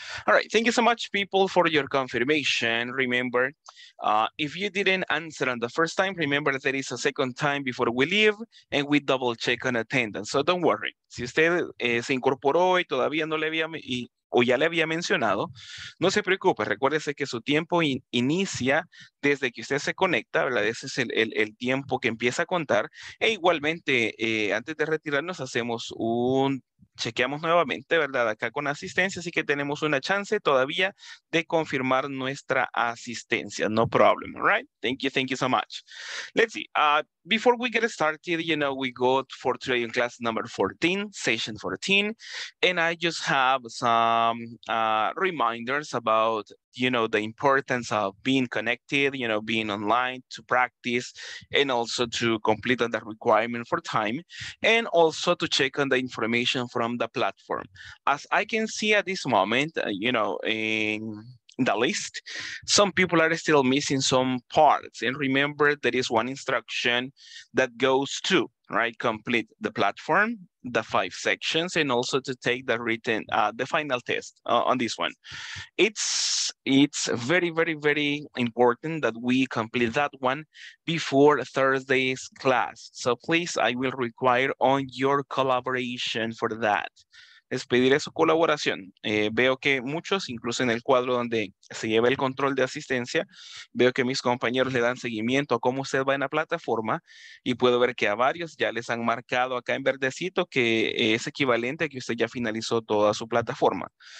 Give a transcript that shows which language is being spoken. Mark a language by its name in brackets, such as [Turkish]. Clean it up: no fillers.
[English] All right, thank you so much, people, for your confirmation. Remember, if you didn't answer on the first time, remember that there is a second time before we leave and we double check on attendance. So don't worry. [Spanish] Si usted se incorporó y todavía no le había o ya le había mencionado, no se preocupe. Recuérdese que su tiempo inicia desde que usted se conecta, ¿verdad? Ese es el tiempo que empieza a contar. E igualmente, antes de retirarnos, hacemos un... Chequeamos nuevamente, ¿verdad? Acá con asistencia, así que tenemos una chance todavía de confirmar nuestra asistencia. [English] No problem, right? Thank you so much. Let's see. Before we get started, you know, we got for today in class number 14, session 14, and I just have some reminders about, you know, the importance of being connected, you know, being online to practice and also to complete the requirement for time and also to check on the information from the platform. As I can see at this moment, you know, in the list, some people are still missing some parts. And remember, there is one instruction that goes to, right, complete the platform, the five sections, and also to take the written, the final test on this one. It's very, very, very important that we complete that one before Thursday's class. So please, I will require on your collaboration for that. [Spanish] Es pedirle su colaboración. Veo que muchos, incluso en el cuadro donde se lleva el control de asistencia, veo que mis compañeros le dan seguimiento a cómo usted va en la plataforma y puedo ver que a varios ya les han marcado acá en verdecito que es equivalente a que usted ya finalizó toda su plataforma.